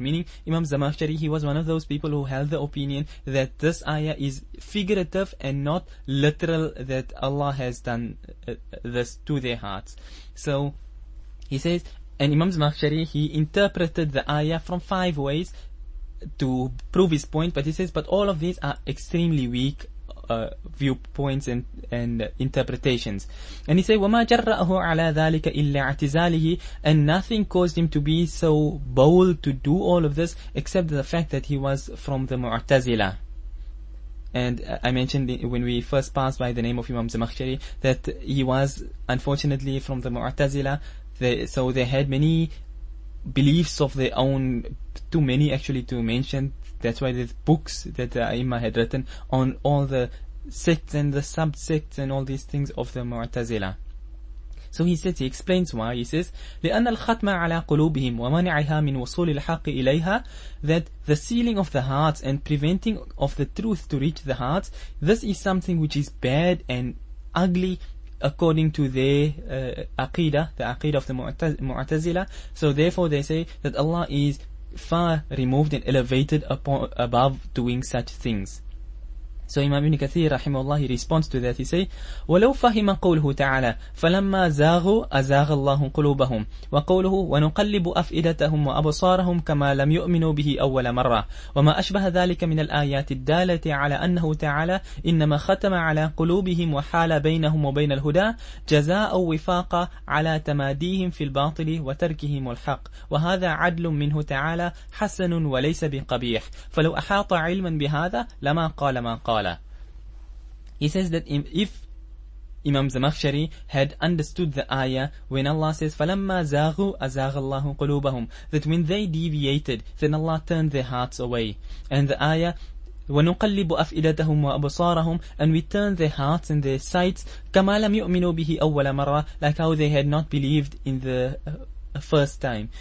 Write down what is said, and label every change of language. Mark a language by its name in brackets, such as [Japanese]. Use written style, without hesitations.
[English] Meaning Imam Zamakhshari, he was one of those people who held the opinion that this ayah is figurative and not literal, that Allah has done this to their hearts. So he says, and Imam Zamakhshari, he interpreted the ayah from five ways to prove his point, but he says, but all of these are extremely weak viewpoints and interpretations. And he said, [Arabic] وَمَا جَرَّأَهُ عَلَىٰ ذَٰلِكَ إِلَّا اعْتِزَالِهِ. [English] And nothing caused him to be so bold to do all of this except the fact that he was from the Mu'tazila. And I mentioned when we first passed by the name of Imam Zamakhshari that he was unfortunately from the Mu'tazila. So they had many beliefs of their own, too many actually to mention. That's why the books that the Aima had written on all the sects and the subsects and all these things of the Mu'tazila. So he says, he explains why. He says, [Arabic] لِأَنَّ الْخَتْمَ عَلَىٰ قُلُوبِهِمْ وَمَنِعِهَا مِنْ وَصُولِ الْحَقِّ إِلَيْهَا, [English] that the sealing of the hearts and preventing of the truth to reach the hearts, this is something which is bad and ugly according to their aqidah, the aqidah of the Mu'tazila. So therefore they say that Allah is far removed and elevated above doing such things. So Imam Ibn Kathir rahimahullah, he responds to that. He say, [Arabic] وَلَوْ فَهِمَ قَوْلُهُ تَعَالَى فَلَمَّا زَاغُوا أَزَاغَ اللَّهُ قُلُوبَهُمْ وَقَوْلُهُ وَنُقَلِّبُ أَفْئِدَتَهُمْ وَأَبْصَارَهُمْ كَمَا لَمْ يُؤْمِنُوا بِهِ أَوَّلَ مَرَّةٍ وَمَا أَشْبَهَ ذَلِكَ مِنَ الْآيَاتِ الدَّالَةِ عَلَى أَنَّهُ تَعَالَى إِنَّمَا خَتَمَ عَلَى قُلُوبِهِمْ وَحَالَ بَيْنَهُمْ وَبَيْنَ الْهُدَى جَزَاءً وِفَاقًا عَلَى تَمَادِيهِمْ فِي الْبَاطِلِ وَتَرْكِهِمُ الْحَقِّ وَهَذَا عَدْلٌ مِنْهُ تَعَالَى حَسَنٌ وَلَيْسَ بِقَبِيحٍ فَلَوْ أَحَاطَ عِلْمًا بِهَذَا لَمَا قَالَ مَا قَالَ. [English] He says that if Imam Zamakhshari had understood the ayah when Allah says [Arabic] فَلَمَّا زَاغُوا أَزَاغَ اللَّهُ قُلُوبَهُمْ, [English] that when they deviated, then Allah turned their hearts away. And the ayah [Arabic] وَنُقَلِّبُ أَفْئِدَتَهُمْ وَأَبْصَارَهُم, [English] and we turn their hearts and their sights [Arabic] كَمَا لَمْ يُؤْمِنُوا بِهِ أَوَّلَ مَرَّةٍ, [English] like how they had not believed in the first time.